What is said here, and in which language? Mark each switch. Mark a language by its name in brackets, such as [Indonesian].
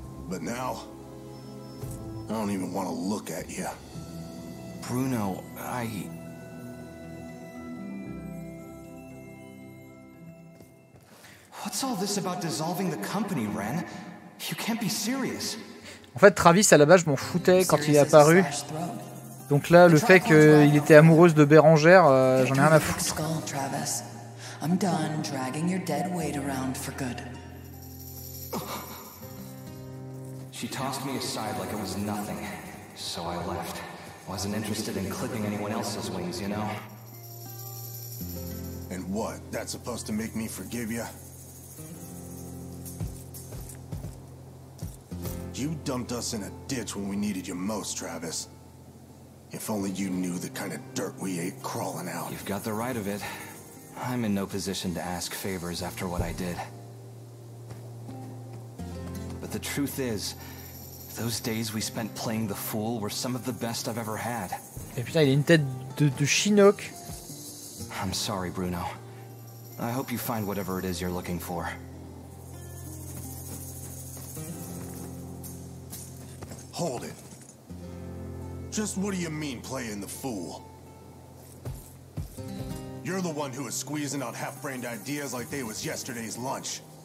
[English] But now, I don't even want to look at you. Bruno, I... What's all this about dissolving the company, Ren? You can't be serious. [French] En fait, Travis, à la base, je m'en foutais quand il est apparu. Donc là, le fait qu'il était amoureuse de Bérangère, j'en ai rien à foutre. [English] I'm done dragging your dead weight around for good. She tossed me aside like it was nothing, so I left. Wasn't interested in clipping anyone else's wings, you know? And what? That's supposed to make me forgive you? You dumped us in a ditch when we needed you most, Travis. If only you knew the kind of dirt we ate crawling out. You've got the right of it. I'm in no position to ask favors after what I did. But the truth is, those days we spent playing the fool were some of the best I've ever had. [French] Et putain, il a une tête de Chinook. [English] I'm sorry, Bruno. I hope you find whatever it is you're looking for. Hold it. Just what do you mean, playing the fool? You're the one who was squeezing out half-brained ideas like they was yesterday's lunch.